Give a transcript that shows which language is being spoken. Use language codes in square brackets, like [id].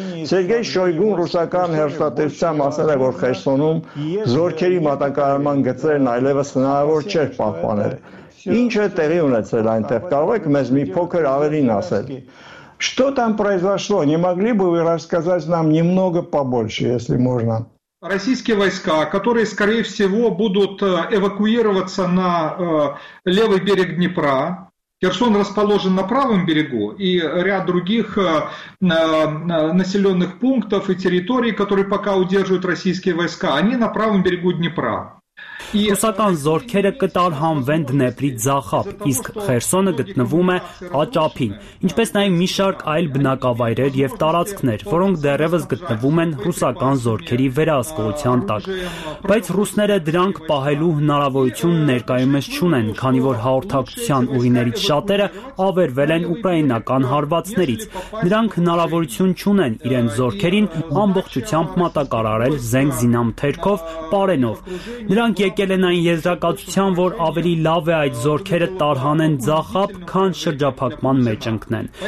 [hy] Сергей Շոյգուն ռուսական հերոստատեսությամբ ասել է, որ Խերսոնում զորքերի մատակարարման գծերն այլևս հնարավոր չէ պահպանել։ Ինչ է տեղի ունեցել այնտեղ, կարող եք մեզ մի փոքր ավելին ասել։ [ru] Что там произошло? Не могли бы вы рассказать нам немного побольше, если можно? Российские войска, которые, скорее всего, будут эвакуироваться на левый берег Днепра. Херсон расположен на правом берегу, и ряд других населенных пунктов и территорий, которые пока удерживают российские войска, они на правом берегу Днепра. [hy] Ռուսական զորքերը կտարհանվեն Դնեպրի ձախապ, իսկ Խերսոնը գտնվում է աճափին, ինչպես նաև մի շարք այլ բնակավայրեր և տարածքներ, որոնք դեռևս գտնվում են ռուսական զորքերի վերահսկողության տակ։ Բայց ռուսները դրանք պահելու հնարավորություն ներկայումս չունեն, քանի որ հաղորդակցության ուղիներից շատերը ավերվել են ուկրաինական հարվածներից։ Նրանք հնարավորություն չունեն իրենց զորքերին ամբողջությամբ մատակարարել զենք զինամթերքով, պարենով։ Նրանք եկել են այն եզրակացության, որ ավելի լավ է այդ զորքերը տարհանեն ձախապ, քան շրջափակման մեջ ընկնեն։